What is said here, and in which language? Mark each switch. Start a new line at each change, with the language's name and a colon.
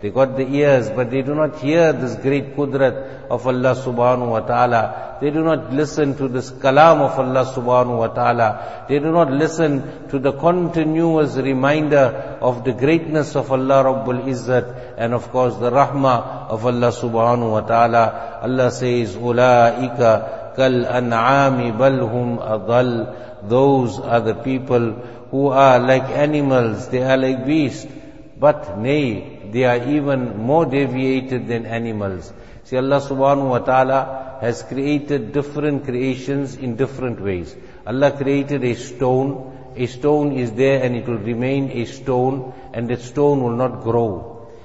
English: They got the ears, but they do not hear this great qudrat of Allah subhanahu wa ta'ala. They do not listen to this kalam of Allah subhanahu wa ta'ala. They do not listen to the continuous reminder of the greatness of Allah Rabbul Izzat, and of course the rahmah of Allah subhanahu wa ta'ala. Allah says,
Arabic: أُولَٰئِكَ كَالْأَنْعَامِ بَلْ هُمْ أَضَلْ.
English: Those are the people who are like animals, they are like beasts, but nay, they are even more deviated than animals. See, Allah subhanahu wa ta'ala has created different creations in different ways. Allah created a stone. A stone is there and it will remain a stone, and that stone will not grow.